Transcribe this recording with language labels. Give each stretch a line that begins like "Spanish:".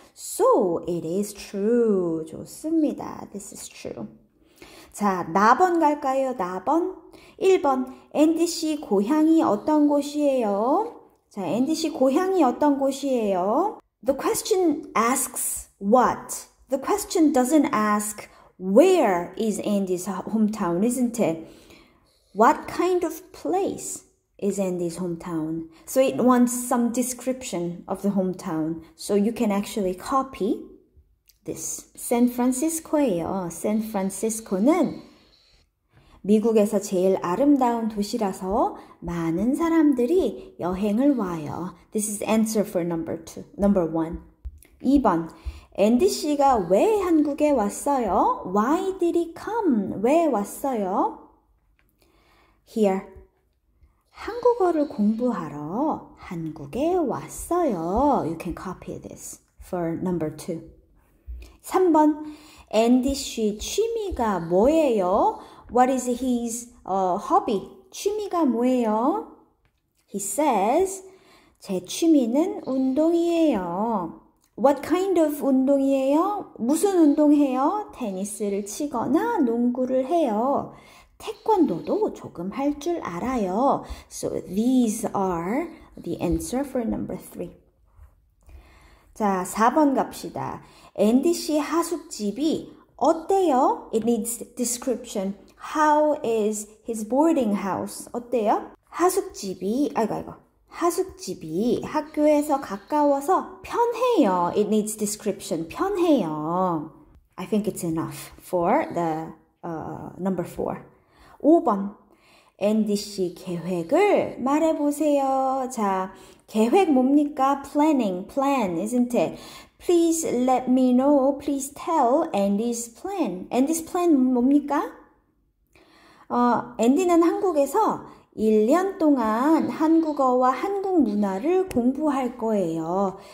English: So it is true. 좋습니다. This is true.
Korean: 자, 4번 갈까요? 4번? 1번. 앤디 씨 고향이 어떤 곳이에요? 자, 앤디 씨 고향이 어떤 곳이에요?
English: The question asks what? The question doesn't ask where is Andy's hometown, isn't it? What kind of place is Andy's hometown? So it wants some description of the hometown. So you can actually copy this. San Francisco예요.
Korean: San Francisco는 미국에서 제일 아름다운 도시라서 많은 사람들이 여행을 와요.
English: This is answer for number two, number one.
Korean: 2번. 앤디 씨가 왜 한국에 왔어요?
English: Why did he come?
Korean: 왜 왔어요?
English: Here.
Korean: 한국어를 공부하러 한국에 왔어요.
English: You can copy this for number two. 3번.
Korean: 앤디 씨 취미가 뭐예요?
English: What is his hobby?
Korean: 취미가 뭐예요?
English: He says,
Korean: 제 취미는 운동이에요.
English: What kind of
Korean: 운동이에요? 무슨 운동해요? 테니스를 치거나 농구를 해요. 태권도도 조금 할 줄 알아요.
English: So these are the answer for number three.
Korean: 자, 4번 갑시다. 앤디 씨 하숙집이 어때요?
English: It needs description. How is his boarding house? 어때요?
Korean: 하숙집이, 아이고. 하숙집이 학교에서 가까워서 편해요.
English: It needs description. 편해요. I think it's enough for the number four.
Korean: 5번. 앤디 씨 계획을 말해보세요. 자, 계획 뭡니까?
English: Planning, plan, isn't it? Please let me know. Please tell Andy's plan. Andy's plan 뭡니까?
Korean: 앤디는 한국에서 1년 동안 한국어와 한국 문화를 공부할 거예요.